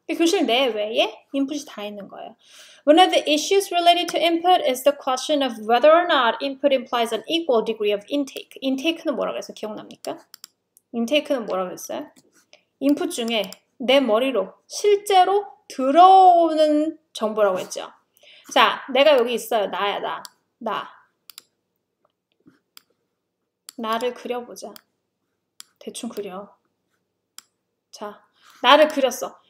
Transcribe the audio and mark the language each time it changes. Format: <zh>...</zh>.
<ko>교실 내 외에 인풋이 다 있는 거예요.</ko> <en>One of the issues related to input is the question of whether or not input implies an equal degree of intake.</en> <ko>Intake는 뭐라고 해서 기억납니까? Intake는 뭐라고 했어요? 인풋 중에 내 머리로 실제로 들어오는 정보라고 했죠. 자, 내가 여기 있어요. 나야, 나. 나. 나를 그려보자. 대충 그려. 자, 나를 그렸어.</ko>